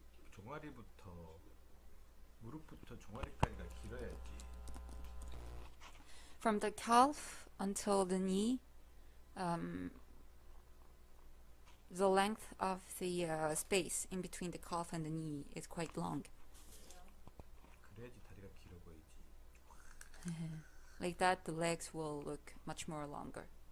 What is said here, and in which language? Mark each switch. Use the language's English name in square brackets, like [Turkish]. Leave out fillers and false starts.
[Korean] 종아리부터 무릎부터 종아리까지가 길어야지. [English] From the calf until the knee, the length of the space in between the calf and the knee is quite long. [Korean] 그래야지 다리가 길어 보이지. [English] Like that, the legs will look much more longer.